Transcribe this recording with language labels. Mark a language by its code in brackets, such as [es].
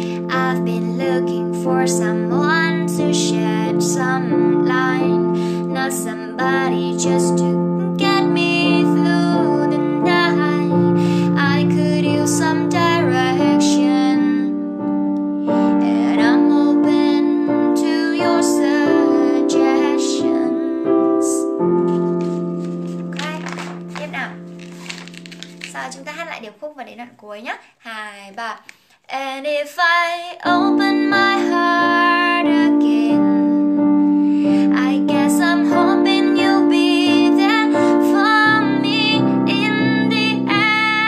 [en] I've been looking for someone to shed some light, not somebody just to get me through the night. I could use some direction, and I'm open to your suggestions. [vi] Okay, tiếp nào. Sau chúng ta hát lại điệp khúc và đến đoạn cuối nhé. 2, 3. [en] And if I open my heart again, I guess I'm hoping you'll be there for me in the end.